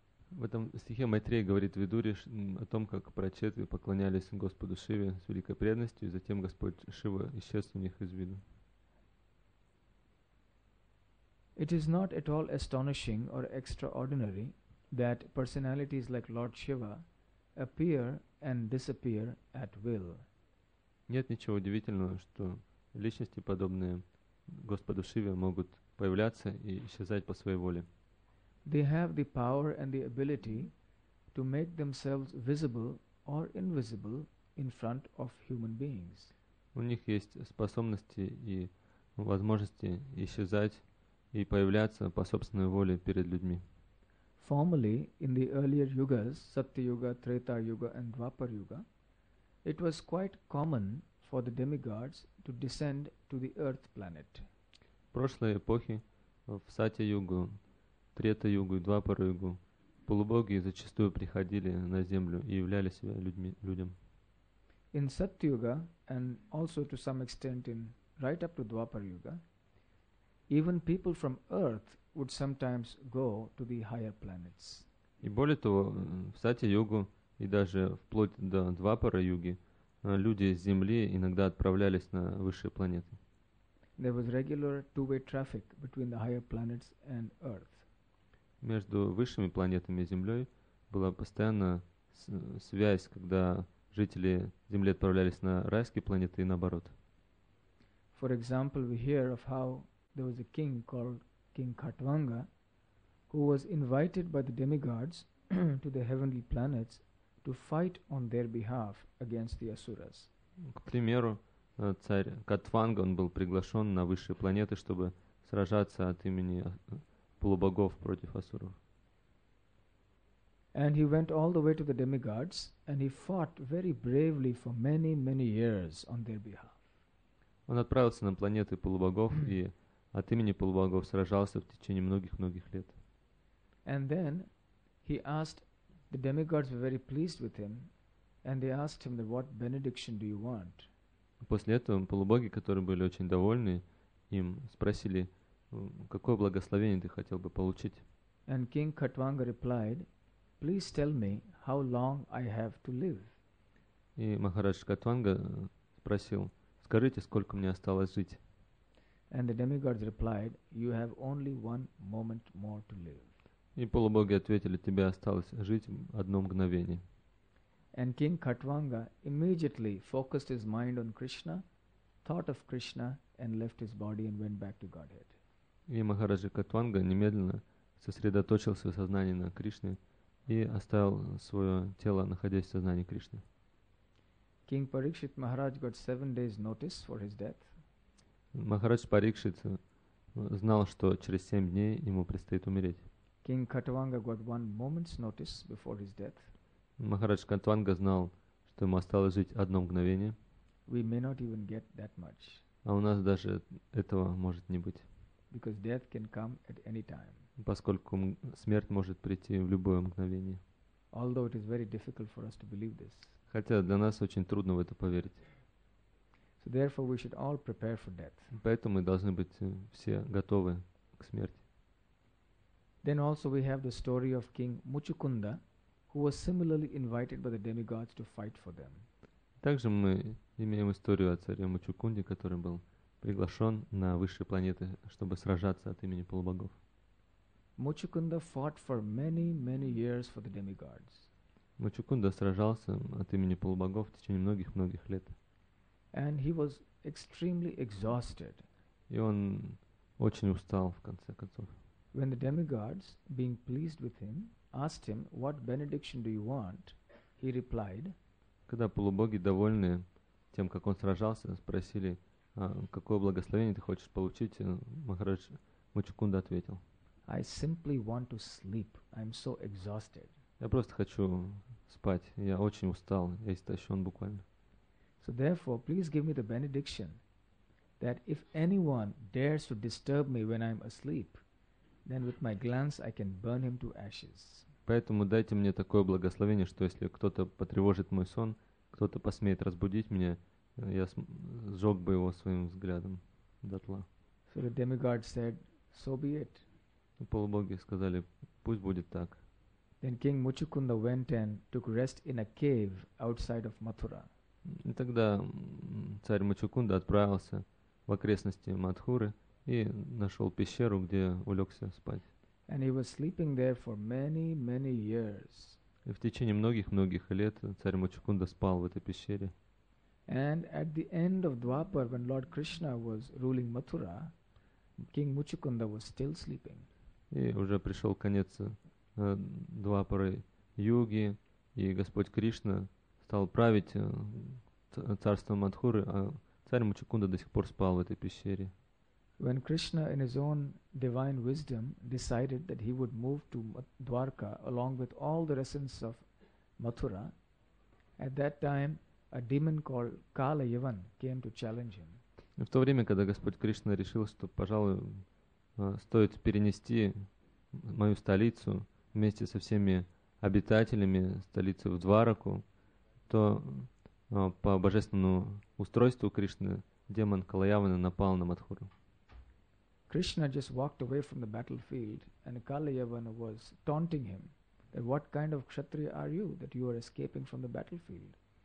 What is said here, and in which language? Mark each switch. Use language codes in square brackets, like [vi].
[ru] В этом стихе Майтрея говорит Видуре о том, как Прачеты поклонялись Господу Шиве с великой преданностью, и затем Господь Шива исчез у них из виду. [en] It is not at all astonishing or extraordinary that personalities like Lord Shiva appear and disappear at will. [ru] Нет ничего удивительного, что личности, подобные Господу Шиве, могут появляться и исчезать по своей воле. [en] They have the power and the ability to make themselves visible or invisible in front of human beings. [ru] У них есть способности и возможности исчезать и появляться по собственной воле перед людьми. [en] Formerly, in the earlier yugas, Satya Yuga, Treta Yuga and Dwapar Yuga, it was quite common for the demigods to descend to the earth planet. [ru] В прошлой эпохе, в Сатья-югу, Трета-югу и Двапара-югу, полубоги зачастую приходили на землю и являли себя людям. [en] In Satya-yuga, and also to some extent in right up to Dwapara-yuga, even people from Earth would sometimes go to the higher planets. [ru] И более того, в Сатья-югу и даже вплоть до Двапара-юги люди с Земли иногда отправлялись на высшие планеты. [en] There was regular two-way traffic between the higher planets and Earth. [ru] Между высшими планетами и Землей была постоянно связь, когда жители Земли отправлялись на райские планеты и наоборот. [en] For example, we hear of how there was a king called King Khatvanga, who was invited by the demigods to the heavenly planets to fight on their behalf against the asuras. [ru] К примеру, царь Катванга, он был приглашен на высшие планеты, чтобы сражаться от имени полубогов против асуров. [en] And he went all the way to the demigods, and he fought very bravely for many, many years on their behalf. [ru] Он отправился на планеты полубогов и от имени полубогов сражался в течение многих-многих лет. [en] And then he asked, the demigods were very pleased with him, and they asked him, what benediction do you want? [ru] После этого полубоги, которые были очень довольны, им спросили, какое благословение ты хотел бы получить? [en] And King Khatvanga replied, please tell me how long I have to live. [ru] И Махарадж Катванга спросил, скажите, сколько мне осталось жить? [en] And the demigods replied, you have only one moment more to live. [ru] И полубоги ответили, тебе осталось жить одно мгновение. [en] And King Khatvanga immediately focused his mind on Krishna, thought of Krishna, and left his body and went back to Godhead. [ru] И Махараджа Катванга немедленно сосредоточил свое сознание на Кришне и оставил свое тело, находясь в сознании Кришны. [en] King Parikshit Maharaj got 7 days notice for his death. [ru] Махарадж Парикшит знал, что через 7 дней ему предстоит умереть. [en] King Khatvanga got 1 moment's notice before his death. [ru] Махарадж Катванга знал, то ему осталось жить одно мгновение. [en] We may not even get that much. [ru] А у нас даже этого может не быть. [en] Because death can come at any time. [ru] Поскольку смерть может прийти в любое мгновение. [en] Although it is very difficult for us to believe this. [ru] Хотя для нас очень трудно в это поверить. [en] So therefore we should all prepare for death. [ru] Поэтому мы должны быть все готовы к смерти. [en] Then also we have the story of King Muchukunda, who was similarly invited by the demigods to fight for them. [ru] Также мы имеем историю о царе Мучукунде, который был приглашен на высшие планеты, чтобы сражаться от имени полубогов. [en] Muchukunda fought for many, many years for the demigods. [ru] Muchukunda сражался от имени полубогов в течение многих-многих лет. [en] And he was extremely exhausted. [ru] И он очень устал в конце концов. [en] When the demigods, being pleased with him, asked him, "What benediction do you want?" he replied. [ru] Когда полубоги, довольные тем, как он сражался, спросили, какое благословение ты хочешь получить, Махарадж Мучукунда ответил. [en] I simply want to sleep. I'm so exhausted. [ru] Я просто хочу спать. Я очень устал. Я истощен буквально. [en] So therefore, please give me the benediction that if anyone dares to disturb me when I'm asleep, then with my glance I can burn him to ashes. [ru] Поэтому дайте мне такое благословение, что если кто-то потревожит мой сон, кто-то посмеет разбудить меня, я сжег бы его своим взглядом дотла. [en] So the demigod said, so be it. [ru] Полубоги сказали, пусть будет так. [en] Then King Muchukunda went and took rest in a cave outside of Mathura. [ru] И тогда царь Мучукунда отправился в окрестности Матхуры и нашел пещеру, где улегся спать. [en] And he was sleeping there for many, many years. [ru] И в течение многих-многих лет царь Мучукунда спал в этой пещере. [en] And at the end of Dwapar, when Lord Krishna was ruling Mathura, King Muchukunda was still sleeping. [ru] И уже пришел конец Двапары Юги, и Господь Кришна стал править царством Матхуры, а царь Мучукунда до сих пор спал в этой пещере. [en] When Krishna, in his own divine wisdom, decided that he would move to Dwarka along with all the residents of Mathura, at that time a demon called Kala Yavan came to challenge him. [ru] В то время, когда Господь Кришна решил, что, пожалуй, стоит перенести мою столицу вместе со всеми обитателями столицы в Двараку, то по божественному устройству Кришны демон Кала Явана напал на Матхуру. [en] Krishna just walked away from the battlefield and Kala Yavana was taunting him that what kind of kshatriya are you that you are escaping from the battlefield.